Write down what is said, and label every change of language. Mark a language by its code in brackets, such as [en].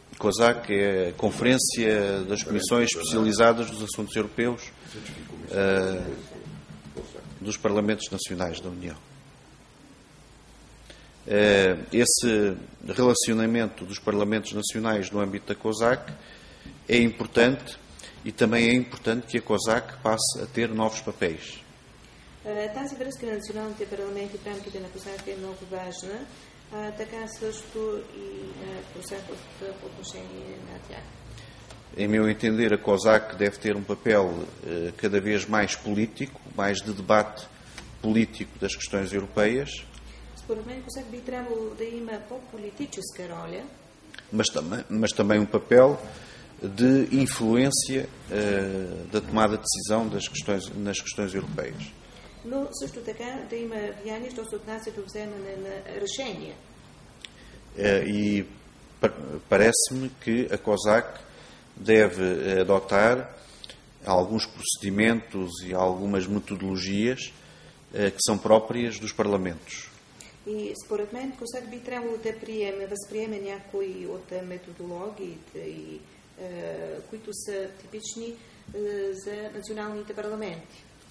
[pt] COSAC é a Conferência das Comissões Especializadas dos Assuntos Europeus dos Parlamentos Nacionais da União. Esse relacionamento dos Parlamentos Nacionais no âmbito da COSAC é importante e também é importante que a COSAC passe a ter novos papéis. [bg] Тази връзка на националните парламенти в рамките на COSAC е много важна, така също и COSAC по отношение на тях. [pt] Em meu entender, a COSAC deve ter papel cada vez mais político, mais de debate político das questões europeias. [bg] Според мен COSAC би трябвало да има по-политическа роля. [pt] Mas também papel de influência da tomada de decisão das questões, nas questões europeias. [bg] Но също така да има влияние, що се отнася до вземане на решения. [pt] И parece-me que a COSAC deve adotar alguns procedimentos e algumas metodologias que são próprias dos parlamentos. [bg] И според мен COSAC би трябвало да приеме, възприеме някои от методологиите и които са типични за националните парламенти.